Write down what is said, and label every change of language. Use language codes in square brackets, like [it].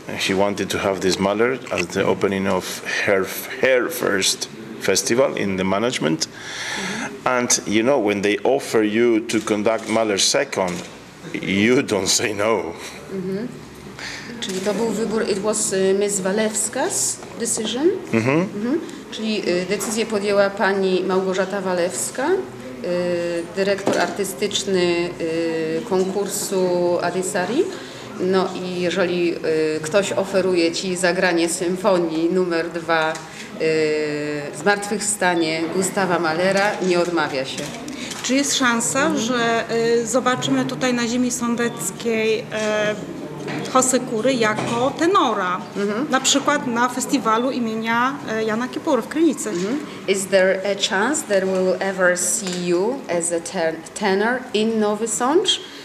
[en] She wanted to have this Mahler as the opening of her first festival in the management. Mm-hmm. And you know, when they offer you to conduct Mahler second, you don't say no. [pl] Czyli to był wybór, [en] it was Ms. Walewska's decision. [pl] Czyli decyzję podjęła pani Małgorzata Walewska, dyrektor artystyczny konkursu Adisari. No i jeżeli ktoś oferuje ci zagranie symfonii numer 2 Zmartwychwstanie Gustawa Mahlera, nie odmawia się. Czy jest szansa, że zobaczymy tutaj na ziemi sądeckiej Jose Cury jako tenora? Na przykład na festiwalu imienia Jana Kiepury w Krynicy. [en] Is there a chance that we will ever see you as a tenor in Nowy Sącz?